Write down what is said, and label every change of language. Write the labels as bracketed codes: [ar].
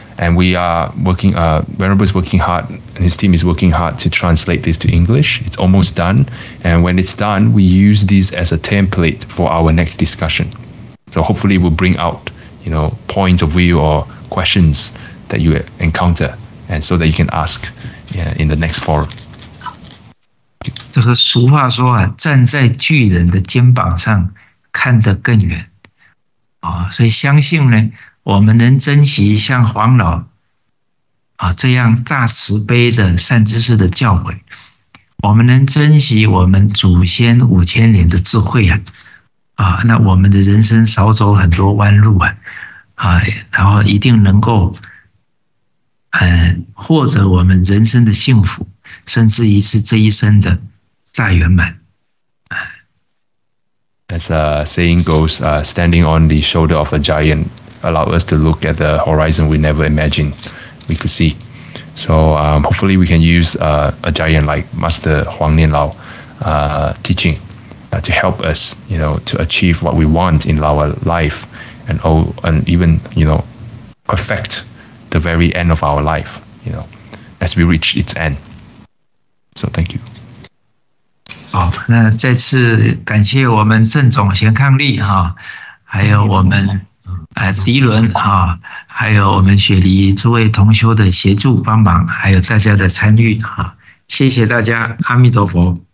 [en] And we are working, Venerable is working hard, and his team is working hard to translate this to English. It's almost done. And when it's done, we use this as a template for our next discussion. So hopefully we'll bring out, you know, points of view or questions that you encounter, and so that you can ask in the next forum. [zh] 这个俗话说啊，站在巨人的肩膀上看得更远啊，所以相信呢，我们能珍惜像黄老啊这样大慈悲的善知识的教诲，我们能珍惜我们祖先五千年的智慧啊，啊，那我们的人生少走很多弯路啊，啊，然后一定能够，获得我们人生的幸福，甚至于是这一生的大圆满。 [en] As a saying goes, standing on the shoulder of a giant allow us to look at the horizon we never imagined we could see. So hopefully we can use a giant like Master Huang Nianlao teaching to help us, you know, to achieve what we want in our life and even, you know, perfect the very end of our life, you know, as we reach its end. So thank you. [zh] 好，那再次感谢我们郑总贤康利哈，还有我们迪伦哈，还有我们雪梨诸位同修的协助帮忙，还有大家的参与哈，谢谢大家，阿弥陀佛。